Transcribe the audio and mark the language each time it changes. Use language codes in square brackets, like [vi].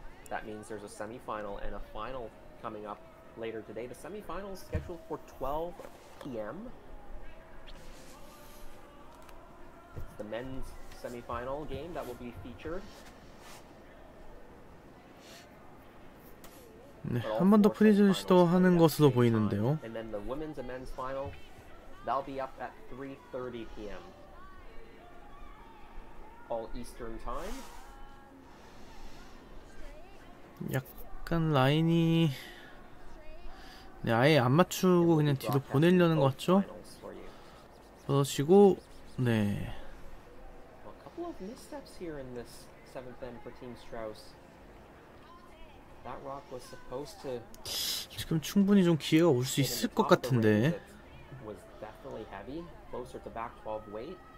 [en] That means there's a semifinal and a final coming up later today. The semifinal is scheduled for 12 p.m. It's the men's semifinal game that will be featured. [ko] 네, 한 번 더 프리즈를 시도하는 것으로 보이는데요. [en] And then the women's and men's final, that'll be up at 3:30 p.m. All Eastern time. [ko] 약간 라인이 네, 아예 안 맞추고 그냥 뒤로 보내려는 것 같죠? 그러시고 네. [en] A couple of missteps here in this 7th end for Team Strauss. That rock was supposed to [ko] 지금 충분히 좀 기회가 올 수 있을 것 같은데. [en] Was definitely heavy, closer to back 12 weight.